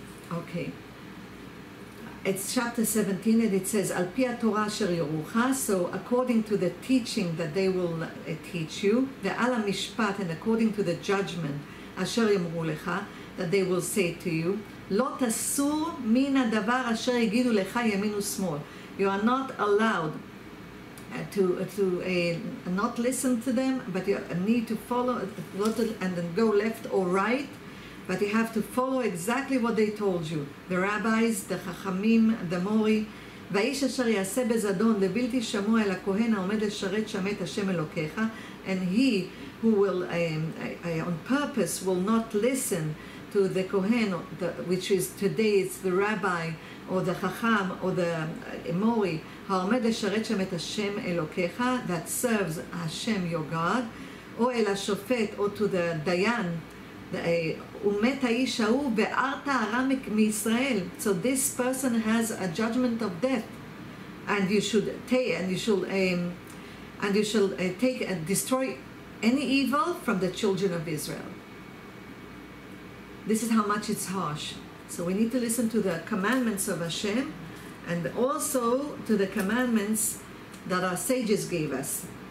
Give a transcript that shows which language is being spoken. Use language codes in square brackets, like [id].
[en] Okay. It's chapter 17 and it says [he] al pi haTorah asher yorucha, [en] so according to the teaching that they will teach you, [he] ve'al haMishpat, [en] and according to the judgment [he] asher yomru lecha, [en] that they will say to you, [he] lo tasur min hadavar asher yigidu lecha yamin u'smol. [en] You are not allowed not listen to them, but you need to follow and then go left or right, but you have to follow exactly what they told you, the rabbis, the chachamim, the mori. [he] ואיש אשר יעשה בזדון לבלתי שמוע אל הכהן העומד לשרת שם את השם אלוקיך, [en] and he who will on purpose will not listen to the kohen, which is today it's the rabbi or the chacham or the mori, [he] העומד לשרת שם את השם אלוקיך, [en] that serves Hashem your God, [he] או אל השופט [en] or to the דיין, [he] ומת האיש ההוא בארת הרע מישראל. [en] So this person has a judgment of death, and you should take and destroy any evil from the children of Israel. This is how much it's harsh. So we need to listen to the commandments of Hashem and also to the commandments that our sages gave us.